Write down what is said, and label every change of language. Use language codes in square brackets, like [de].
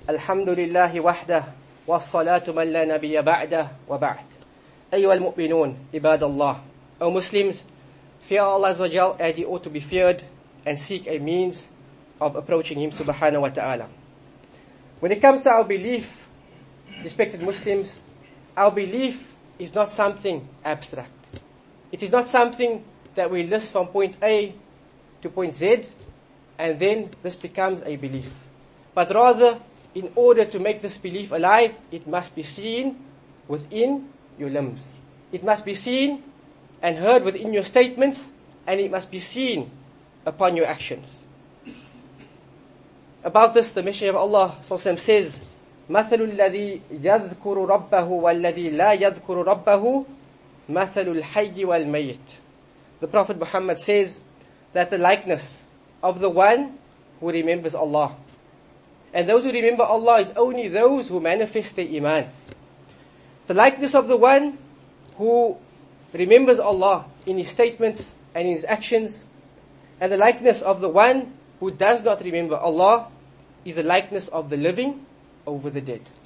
[ar] الحمد لله وحده والصلاة من لا نبي بعده وبعد. [en] أيها المؤمنون عباد الله, O Muslims, fear Allah Azza wa Jal as He ought to be feared, and seek a means of approaching Him subhanahu wa ta'ala. When it comes to our belief, respected Muslims, our belief is not something abstract. It is not something that we list from point A to point Z and then this becomes a belief. But rather, in order to make this belief alive, it must be seen within your limbs. It must be seen and heard within your statements, and it must be seen upon your actions. [ar] About this, the Messenger of Allah says, مَثَلُ الَّذِي يَذْكُرُ رَبَّهُ وَالَّذِي لَا يَذْكُرُ رَبَّهُ مَثَلُ الْحَيِّ وَالْمَيِّتِ. [en] The Prophet Muhammad says that the likeness of the one who remembers Allah. And those who remember Allah is only those who manifest their iman. The likeness of the one who remembers Allah in his statements and in his actions, and the likeness of the one who does not remember Allah, is the likeness of the living over the dead.